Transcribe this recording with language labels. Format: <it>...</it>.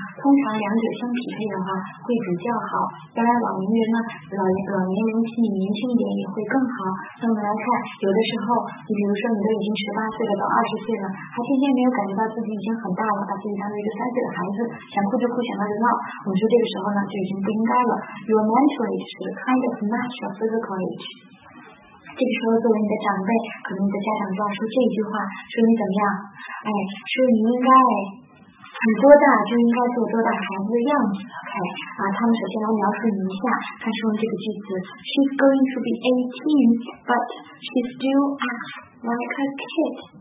<zh>通常两者相匹配的话会比较好。当然老年人呢，老年人心理年轻一点也会更好。那我们来看，有的时候，你比如说你都已经18岁了，到20岁了，还渐渐没有感觉到自己已经很大了，把自己当成一个3岁的孩子，想哭就哭，想闹就闹。我们说这个时候呢。就已经不应该了。</zh> <en>Your mental age is kind of match your physical age.</en> <zh>这个时候，作为你的长辈，可能你的家长就要说这句话，说你怎么样？哎，说你应该你多大就应该做多大孩子的样子。 OK， 啊，他们首先来描述你一下，他说这个句子 ，</zh> <en>She's going to be 18， but she still acts like a kid。</en>